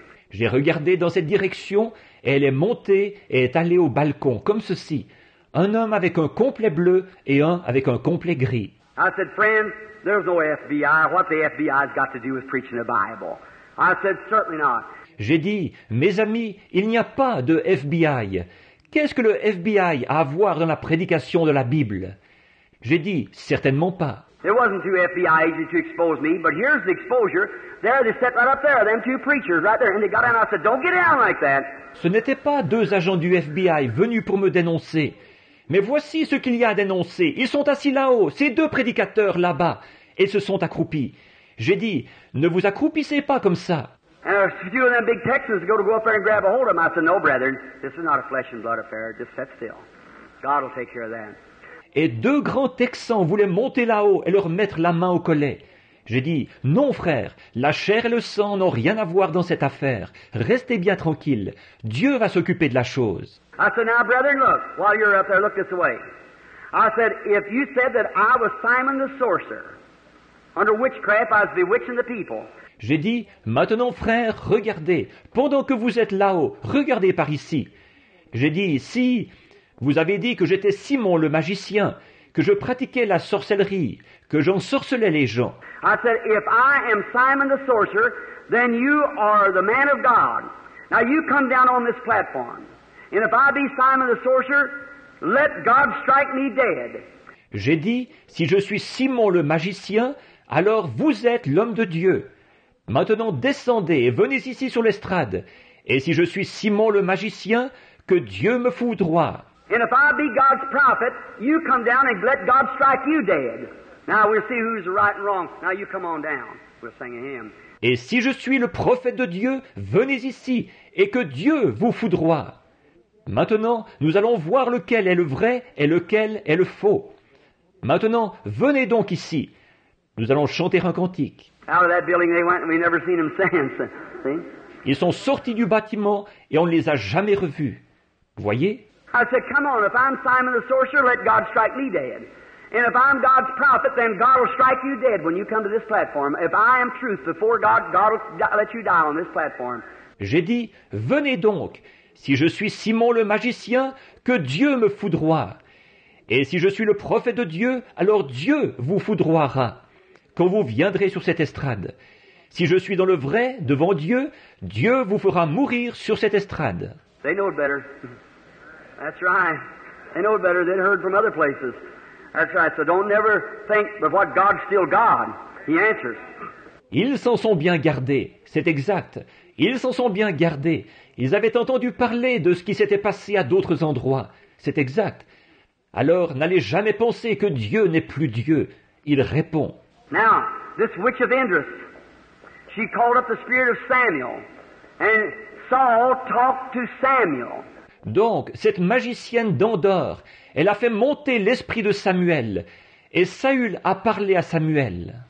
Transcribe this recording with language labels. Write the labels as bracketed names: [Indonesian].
[French] J'ai regardé dans cette direction et elle est montée et est allée au balcon, comme ceci. Un homme avec un complet bleu et un avec un complet gris. [English] I said, friends, there's no FBI. What the FBI's got to do with preaching the Bible? I said, certainly not. [French] J'ai dit, mes amis, il n'y a pas de FBI. Qu'est-ce que le FBI a à voir dans la prédication de la Bible? J'ai dit, certainement pas. [English] There wasn't two FBI agents to expose me, but here's the exposure. There they sat right up there, them two preachers right there, and they got down and I said, don't get down like that. [French] Ce n'étaient pas deux agents du FBI venus pour me dénoncer. Mais voici ce qu'il y a à dénoncer. Ils sont assis là-haut, ces deux prédicateurs là-bas, et se sont accroupis. J'ai dit, ne vous accroupissez pas comme ça. [English] And a few of them big Texans go to go up there and grab a hold of him. I said, no, brethren, this is not a flesh and blood affair. Just sit still. God will take care of that. [French] Et deux grands Texans voulaient monter là-haut et leur mettre la main au collet. J'ai dit, non, frère, la chair et le sang n'ont rien à voir dans cette affaire. Restez bien tranquille. Dieu va s'occuper de la chose. [English] I said, now, brethren, look, while you're up there, look this way. I said, if you said that I was Simon the sorcerer, under witchcraft, I was bewitching the people. [French] J'ai dit, maintenant frère, regardez, pendant que vous êtes là-haut, regardez par ici. J'ai dit, si, vous avez dit que j'étais Simon le magicien, que je pratiquais la sorcellerie, que j'ensorcelais les gens. [English] I said, if I am Simon the sorcerer, then you are the man of God. Now you come down on this platform. And if I be Simon the sorcerer, let God strike me dead. [French] J'ai dit, si je suis Simon le magicien, alors vous êtes l'homme de Dieu. Maintenant descendez et venez ici sur l'estrade. Et si je suis Simon le magicien, que Dieu me foudroie. [English] And if I be God's prophet, you come down and let God strike you dead. Now we'll see who's right and wrong. Now you come on down. We'll sing a hymn. [French] Et si je suis le prophète de Dieu, venez ici et que Dieu vous foudroie. Maintenant, nous allons voir lequel est le vrai et lequel est le faux. Maintenant, venez donc ici. Nous allons chanter un cantique. [English] Out of that building they went and we've never seen them since. See? [French] Ils sont sortis du bâtiment et on ne les a jamais revus. Voyez? [English] I said, come on, if I'm Simon the sorcerer, let God strike me dead. And if I'm God's prophet, then God will strike you dead when you come to this platform. If I am truth before God, God will let you die on this platform. [French] J'ai dit, venez donc, si je suis Simon le magicien, que Dieu me foudroie. Et si je suis le prophète de Dieu, alors Dieu vous foudroiera quand vous viendrez sur cette estrade. Si je suis dans le vrai, devant Dieu, Dieu vous fera mourir sur cette estrade. [English] They know it better. That's right. They know it better. They'd heard from other places. That's right. So don't never think that what God's still God. He answers. [French] Ils s'en sont bien gardés. C'est exact. Ils s'en sont bien gardés. Ils avaient entendu parler de ce qui s'était passé à d'autres endroits. C'est exact. Alors n'allez jamais penser que Dieu n'est plus Dieu. Il répond. [English] Now, this witch of Endor, she called up the spirit of Samuel, and Saul talked to Samuel. [French] Donc, cette magicienne d'Endor, elle a fait monter l'esprit de Samuel, et Saül a parlé à Samuel.